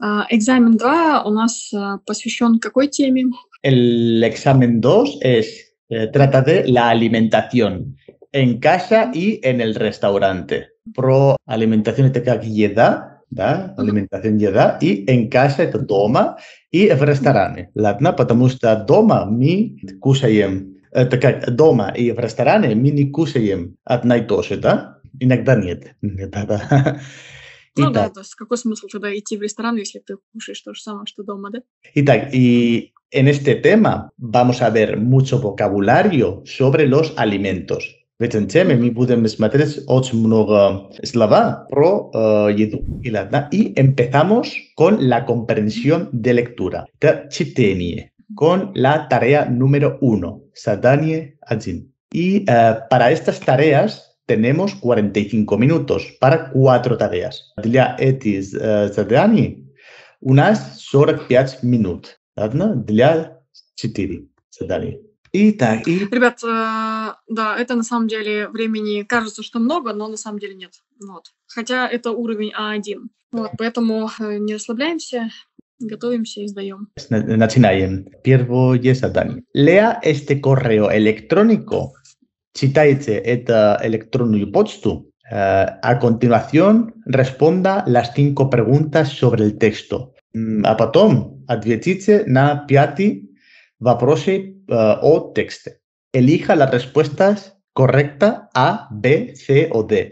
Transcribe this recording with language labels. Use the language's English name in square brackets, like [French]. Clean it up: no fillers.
[Russian] Экзамен 2 у нас посвящен какой теме? [Spanish] El examen 2 trata de la alimentación en casa y en el restaurante. [Russian] Про alimentación это как еда. Да, [Spanish] alimentación y edad, y en casa, [Russian] это дома, и в ресторане. Ладно, потому что дома мы кушаем, это как дома и в ресторане мы не кушаем одна и то же, да? Иногда нет. Да. Ну да, то есть какой смысл тогда идти в ресторан, если ты кушаешь то же самое, что дома, да? Итак, и [Spanish] en este tema vamos a ver mucho vocabulario sobre los alimentos. [Russian] В этом теме мы будем смотреть очень много слова про еду. И ладно. [Spanish] И empezamos con la comprensión de lectura. [Russian] Это чтение. [Spanish] Con la tarea número uno. [Russian] Задание один. И [Spanish] para estas tareas tenemos 45 minutos. Para cuatro tareas. [Russian] Для этих заданий у нас 45 минут. Ладно? Для четыре задания. Итак, ребят, да, это на самом деле времени кажется, что много, но на самом деле нет. Вот. Хотя это уровень А1. Вот, поэтому не расслабляемся, готовимся и сдаем. Начинаем. Первое задание. [Spanish] Lea este correo electrónico. [Russian] Читайте эту электронную почту. [Spanish] A continuación, responda las cinco preguntas sobre el texto. [Russian] А потом, ответите на пяти вопросы o texte. [Spanish] Elija las respuestas correctas A, B, C o D.